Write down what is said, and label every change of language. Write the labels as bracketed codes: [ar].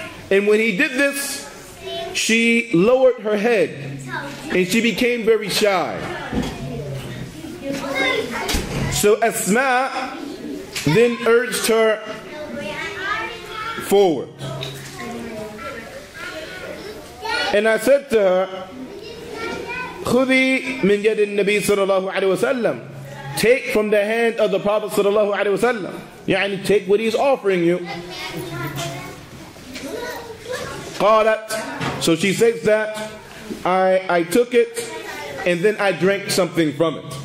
[en] And when he did this, she lowered her head and she became very shy. So Asma then urged her forward. [ar] And I said to her, خُذِي مِنْ يَدِ النَّبِي صَلَى اللَّهُ عَلَيْهِ وَسَلَّمُ. [en] Take from the hand of the Prophet صلى الله عليه وسلم. يعني take what he is offering you. [ar] قَالَتْ. [en] So she says that, I took it, and then I drank something from it.